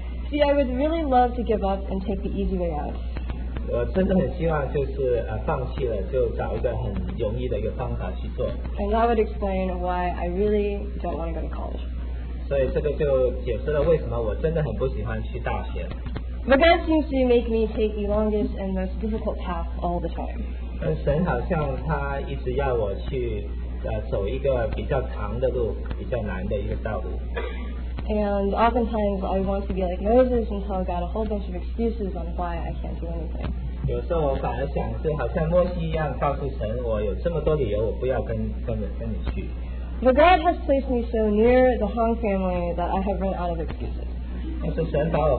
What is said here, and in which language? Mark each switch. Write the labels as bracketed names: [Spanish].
[English] See, I would really love to give up and take the easy way out. [Chinese] 我真的很希望就是放弃了，就找一个很容易的一个方法去做。 [English] And that would explain why I really don't want to go to college. [Chinese] 所以这个就解释了为什么我真的很不喜欢去大学。 [English] But God seems to make me take the longest and most difficult path all the time. [Chinese] 神好像他一直要我去。走一个比较长的路，比较难的一个道路。 [English] And oftentimes I want to be like Moses and tell God a whole bunch of excuses on why I can't do anything. [Chinese] 有时候我反而想是好像摩西一样告诉神，我有这么多理由，我不要跟你去。 [English] But God has placed me so near the Hong family that I have run out of excuses.